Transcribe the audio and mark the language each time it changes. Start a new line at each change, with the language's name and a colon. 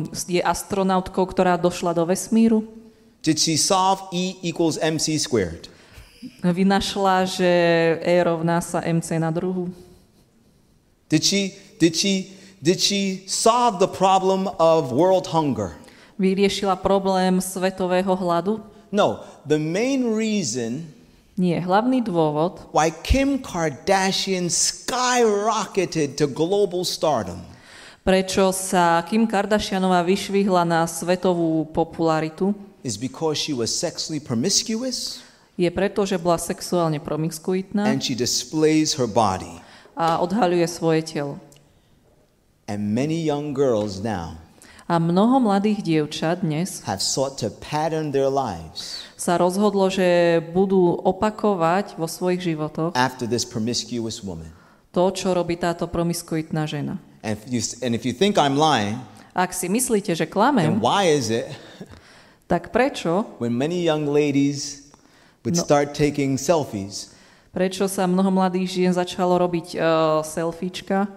Slovak: Je astronautkou, ktorá došla do vesmíru.
English: Did she solve E equals MC squared?
Slovak: Vynašla, že E rovná sa MC na druhu.
English: Did she solve the problem of world hunger?
Slovak: Vyriešila problém svetového hladu?
English: No, the main reason,
Slovak: nie, hlavný dôvod,
English: why Kim Kardashian skyrocketed to global stardom,
Slovak: prečo sa Kim Kardashianová vyšvihla na svetovú popularitu,
English: is because she was sexually promiscuous,
Slovak: je preto, že bola sexuálne promiskuitná,
English: and she displays her body,
Slovak: a odhaľuje svoje telo.
English: And many young girls now,
Slovak: a mnoho mladých dievčat dnes,
English: have sought to pattern their lives,
Slovak: sa rozhodlo, že budú opakovať vo svojich životoch,
English: after this promiscuous woman,
Slovak: to, čo robí táto promiskuitná žena.
English: And if you think I'm lying,
Slovak: ak si myslíte, že klamem,
English: then why is it,
Slovak: tak prečo,
English: when many young ladies would start taking selfies,
Slovak: prečo sa mnoho mladých žien začalo robiť selfiečka,